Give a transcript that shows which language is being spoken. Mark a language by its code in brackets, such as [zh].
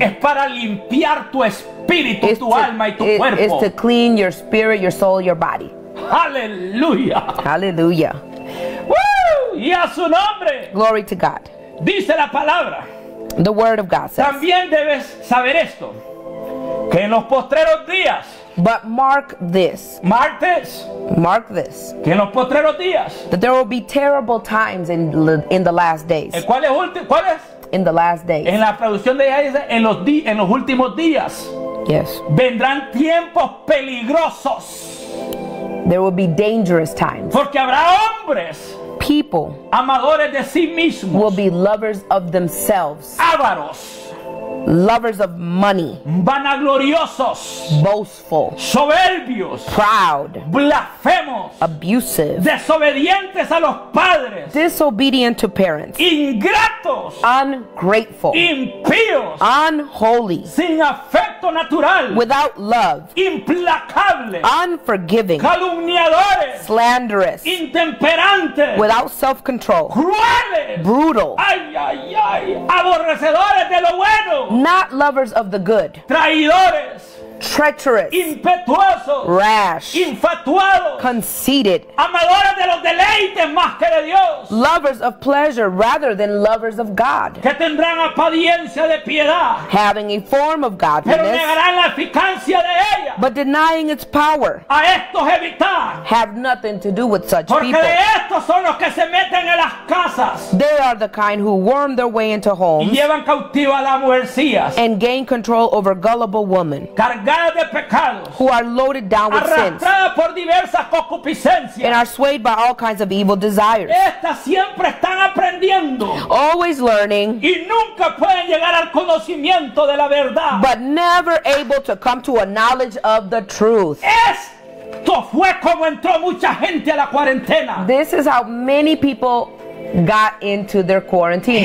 [es] Es para limpiar tu espíritu, tu alma y tu cuerpo. [en] Is to clean your spirit, your soul, your body. Hallelujah. Hallelujah. [es] Woo! Y a su nombre. [en] Glory to God. [es] Dice la palabra. [en] The word of God says. [es] También debes saber esto. Que en los postreros días. [en] But mark this. Mark this. Mark this. [es] Que en los postreros días. [en] That there will be terrible times in the last days. [es] ¿Cuál es último? ¿Cuál es? [en] In the last days. [es] En la traducción de ella dice en los últimos días. [en] Yes. [es] Vendrán tiempos peligrosos. [en] There will be dangerous times. [es] Porque habrá hombres. [en] People. [es] Amadores de sí mismos. [en] Will be lovers of themselves. [es] Avaros. [en] lovers of money, [es] vanagloriosos, [en] boastful, [es] soberbios, [en] proud, [es] blasfemos, [en] abusive, [es] desobedientes a los padres, [en] disobedient to parents, [es] ingratos, [en] ungrateful, [es] impíos, [en] unholy, [es] sin afecto natural, [en] without love, [es] implacable, [en] unforgiving, [es] calumniadores, [en] slanderous, [es] intemperantes, [en] without self-control, [es] crueles, [en] brutal, [es] ay, ay, ay, aborrecedores de lo bueno, [en] not lovers of the good, [es] traidores, [en] treacherous, [es] impetuosos, [en] rash, [es] infatuados, [en] conceited, [es] amadores de los deleites más que de Dios, [en] lovers of pleasure rather than lovers of God, [es] que tendrán apariencia de piedad, [en] having a form of godliness, [es] pero negarán la eficacia de ella, [en] but denying its power, [es] a estos evitar, [en] have nothing to do with such [es] porque [en] people, [es] porque estos son los que se meten en las casas, [en] they are the kind who worm their way into homes, [es] y llevan cautiva a las mujercías, [en] and gain control over gullible women, who are loaded down with sins [es] por diversas concupiscencias, [en] and are swayed by all kinds of evil desires. [es] Estas siempre están aprendiendo, [en] always learning, [es] y nunca pueden llegar al conocimiento de la verdad, [en] but never able to come to a knowledge of the truth. [es] Esto fue como entró mucha gente a la cuarentena. [en] This is how many people got into their quarantine.